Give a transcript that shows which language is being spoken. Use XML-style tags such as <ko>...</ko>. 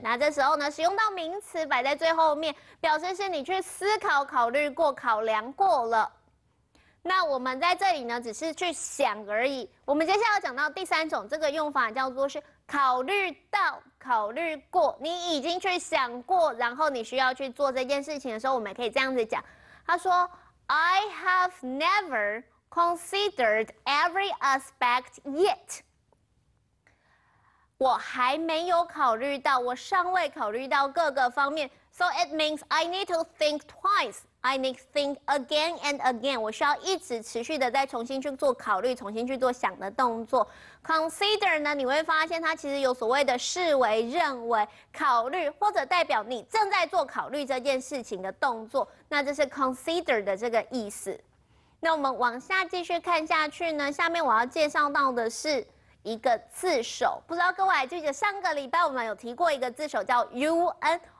<zh>那这时候呢，使用到名词摆在最后面，表示是你去思考、考虑过、考量过了。那我们在这里呢，只是去想而已。我们接下来要讲到第三种，这个用法叫做是考虑到、考虑过，你已经去想过，然后你需要去做这件事情的时候，我们可以这样子讲。他说</zh> <en>，I have never considered every aspect yet。</en> <zh>我还没有考虑到，我尚未考虑到各个方面。</zh> <en>So it means I need to think twice. I need to think again and again.</en> <zh>我需要一直持续的再重新去做考虑，重新去做想的动作。 Consider 呢，你会发现它其实有所谓的视为、认为、考虑，或者代表你正在做考虑这件事情的动作。那这是 consider 的这个意思。那我们往下继续看下去呢，下面我要介绍到的是一个字首，不知道各位还记得上个礼拜我们有提过一个字首叫 un。</zh>